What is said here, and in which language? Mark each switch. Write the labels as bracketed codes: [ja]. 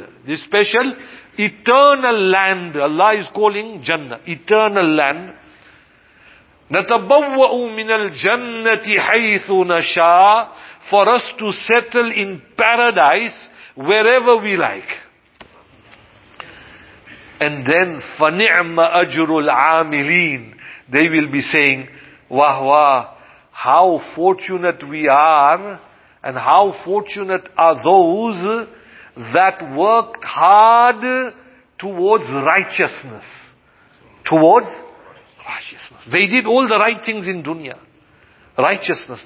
[en] This special eternal land. Allah is calling Jannah. Eternal land. [ar] نَتَبَوَّأُ مِنَ الْجَنَّةِ حَيْثُ نَشَاءُ. [en] For us to settle in paradise wherever we like. And then [ar] فَنِعْمَ أَجْرُ الْعَامِلِينَ. [en] They will be saying, wah wah, how fortunate we are, and how fortunate are those that worked hard towards righteousness. Towards righteousness. They did all the right things in dunya. Righteousness.